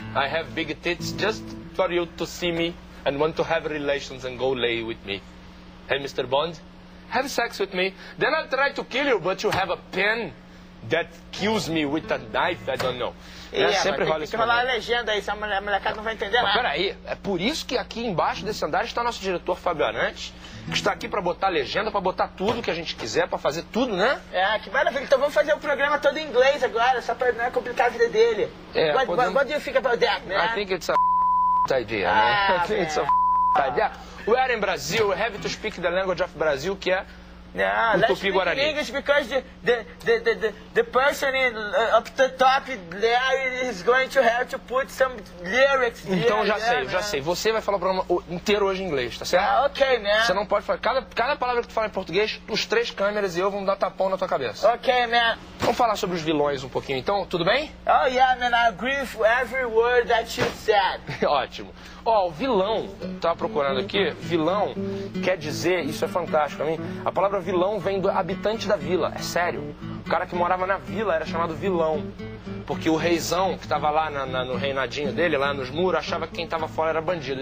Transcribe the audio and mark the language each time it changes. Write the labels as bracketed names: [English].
[English] I have big tits just for you to see me and want to have relations and go lay with me. Hey, Mr. Bond, have sex with me. Then I'll try to kill you, but you have a pen that kills me with a knife, I don't know. [Portuguese] É, sempre rola isso. Tem que rolar a legenda aí, senão a molecada não vai entender nada. Peraí, é por isso que aqui embaixo desse andar está nosso diretor Fábio Arantes, que está aqui para botar legenda, para botar tudo que a gente quiser, para fazer tudo, né? É, que maravilha. Então vamos fazer o programa todo em inglês agora, só para não complicar a vida dele. É, [English] what do you think about that, man? I think it's a f***ing idea, man. I think it's a f***ing idea. We are in Brazil, we have to speak the language of Brazil, [Portuguese] que é... Não, [English] let's speak English because the person in, up the top there is going to have to put some lyrics here. [Portuguese] Então já sei. Você vai falar o programa inteiro hoje em inglês, tá certo? [English] Ah, ok, man. [Portuguese] Você não pode falar. Cada palavra que tu fala em português, os três câmeras e eu vamos dar tapão na tua cabeça. [English] Ok, man. [Portuguese] Vamos falar sobre os vilões um pouquinho então, tudo bem? [English] Oh, yeah, man, I agree with every word that you said. [Portuguese] Ótimo. Ó, o vilão, tava procurando aqui, vilão quer dizer, isso é fantástico pra mim, a palavra vilão vem do habitante da vila, é sério. O cara que morava na vila era chamado vilão, porque o reizão que tava lá no reinadinho dele, lá nos muros, achava que quem tava fora era bandido.